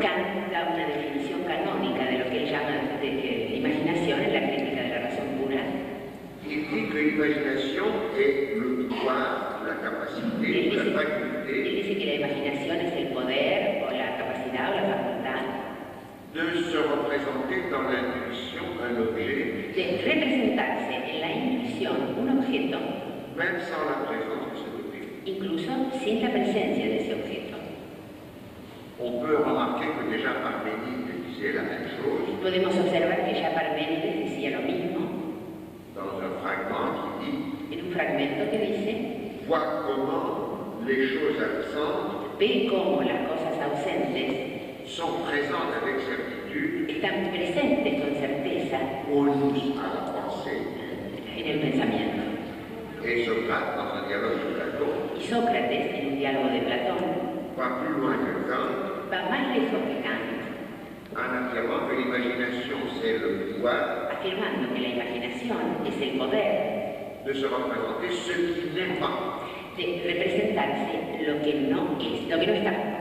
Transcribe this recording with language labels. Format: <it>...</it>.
<es>Kant da una definición canónica de lo que él llama l'imagination en la crítica de la razón pura.</es> <fr>Il dit que l'imagination est le pouvoir, la capacité, la faculté.</fr> <es>Il dice que la imaginación es el poder o la capacidad o la facultad.</es> <fr>De se représenter dans l'intuition un objet.</fr> <es>De representarse en la intuición un objeto.</es> <fr>Même sans la présence de cet objet.</fr> <es>Incluso sin la presencia de ese objeto.</es> <fr>On peut remarquer que déjà Parménide disait la même chose.</fr> <es>Podemos observar que ya Parménide decía lo mismo.</es> <fr>Dans un fragment qui dit.</fr> <es>En un fragmento que dice.</es> <fr>Vois comment les choses absentes.</fr> <es>Ve cómo las cosas ausentes.</es> <fr>Sont présentes avec certitude.</fr> <es>Están presentes con certeza.</es> <fr>Unus a la pensée.</fr> <es>En el pensamiento.</es> <fr>Et Socrate dans un dialogue de Platon.</fr> <es>Y Sócrates en un diálogo de Platón.</es> <fr>Va plus loin que Kant.</fr> <es>Va más lejos que Kant.</es> <fr>En afirmant que l'imagination c'est le pouvoir.</fr> <es>Afirmando que la imaginación es el poder.</es> <fr>De se représenter ce qui n'est pas.</fr> <es>De representarse lo que no es, lo que no está.</es>